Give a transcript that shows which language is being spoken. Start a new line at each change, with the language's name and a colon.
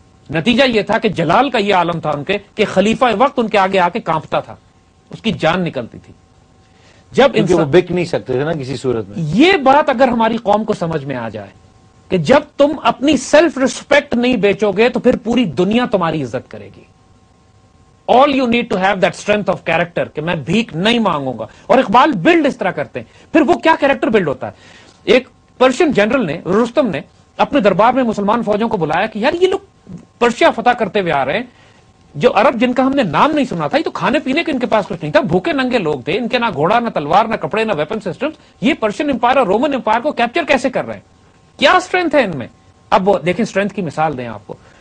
Urdu: نتیجہ یہ تھا کہ جلال کا یہ عالم تھا ان کے کہ خلیفہ وقت ان کے آگے آ کے کانپتا تھا, اس کی جان نکلتی تھی. جب انسان وہ بک نہیں سکتے تھے نا کسی صورت میں. یہ بات اگر ہماری قوم کو سمجھ میں آ جائے کہ جب تم اپنی سیلف ریسپیکٹ نہیں بیچو گے تو پھر پوری دنیا تمہاری عزت کرے گی.
English: All you need to have that strength of character
Urdu: کہ میں بھیک نہیں مانگوں گا. اور اقبال بلڈ اس طرح کرتے ہیں. پھر وہ کیا کریکٹر بلڈ ہوتا ہے؟ ایک پرشین جنرل نے رستم نے اپنے دربار میں مسلمان فوجوں کو بلایا کہ یار یہ لوگ پرشیا فتح کرتے ہوئے آ رہے ہیں, جو عرب جن کا ہم نے نام نہیں سنا تھا, یہ تو کھانے پینے کے ان کے پاس کچھ نہیں تھا, بھوکے ننگے لوگ تھے, ان کے نہ گھوڑا نہ تلوار نہ کپڑے نہ ویپن سسٹم, یہ پرشین امپائر اور رومن امپائر کو کیپچر کیسے کر رہے ہیں؟ کیا اسٹرینتھ ہے ان میں؟ اب وہ دیکھیں اسٹرینتھ کی مثال دیں آپ کو,